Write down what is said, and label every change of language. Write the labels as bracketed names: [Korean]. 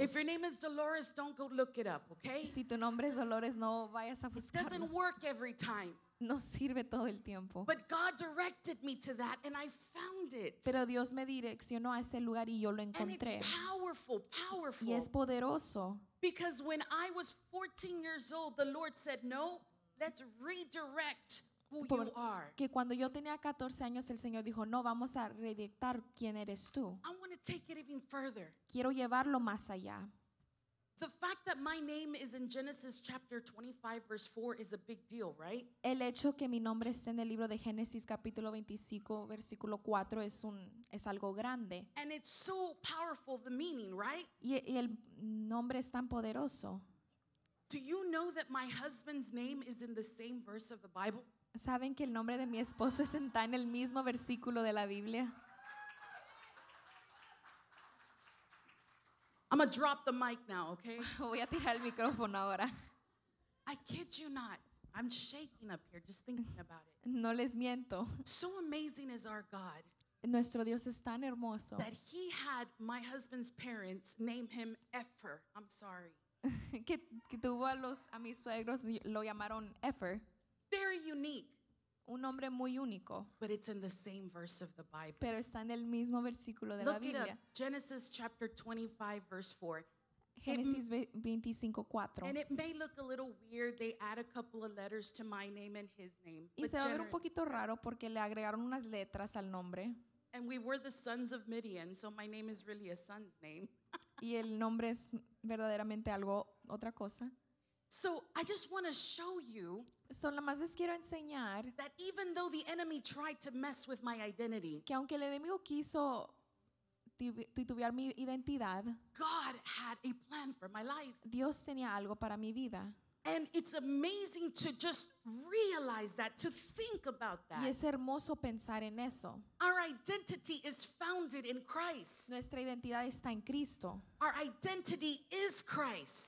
[English] If your name is Dolores, don't go look it up, okay? [Spanish] Si tu nombre es Dolores, no vayas a buscarlo. [English] It doesn't work every time. [Spanish] No sirve todo el tiempo. [English] But God directed me to that and I found it. [Spanish] Pero Dios me direccionó a ese lugar y yo lo encontré. [English] And it's powerful, powerful. [Spanish] Y es poderoso. [English] Because when I was 14 years old, the Lord said, "No, let's redirect who [Spanish] Por [English] you are." [Spanish] Que cuando yo tenía 14 años, el Señor dijo, "No, vamos a redirectar quién eres tú." [English] I want to take it even further. [Spanish] Quiero llevarlo más allá. [English] The fact that my name is in Genesis chapter 25 verse 4 is a big deal, right? [Spanish] El hecho que mi nombre esté en el libro de Génesis capítulo 25 versículo 4 es algo grande. [English] And it's so powerful, the meaning, right? [Spanish] Y el nombre es tan poderoso. [English] Do you know that my husband's name is in the same verse of the Bible? [Spanish] ¿Saben que el nombre de mi esposo está en el mismo versículo de la Biblia? [English] I'm gonna drop the mic now, okay? [Spanish] Voy a tirar el micrófono ahora. [English] I kid you not. I'm shaking up here just thinking about it. [Spanish] No les miento. [English] So amazing is our God. [Spanish] Nuestro Dios es tan hermoso. [English] That he had my husband's parents name him Effer. I'm sorry. [Spanish] Que tuvo a mis suegros lo llamaron Effer. [English] Very unique. [Spanish] Un nombre muy único. [English] But it's in the same verse of the Bible. [Spanish] Pero está en el mismo versículo de [English] Look [Spanish] la Biblia. [English] It up, Genesis chapter 25 verse 4. [Spanish] Génesis 25:4. [English] And it may look a little weird. They add a couple of letters to my name and his name. [Spanish] Y se va a ver un poquito raro porque le agregaron unas letras al nombre. [English] And we were the sons of Midian, so my name is really a son's name. [Spanish] Y el nombre es verdaderamente algo otra cosa. [English] So I just want to show you that even though the enemy tried to mess with my identity, [Spanish] que aunque el enemigo quiso titubear mi identidad, [English] God had a plan for my life. [Spanish] Dios tenía algo para mi vida. [English] And it's amazing to just realize that, to think about that. [Spanish] Y es hermoso pensar en eso. [English] Our identity is founded in Christ. [Spanish] Nuestra identidad está en Cristo. [English] Our identity is Christ.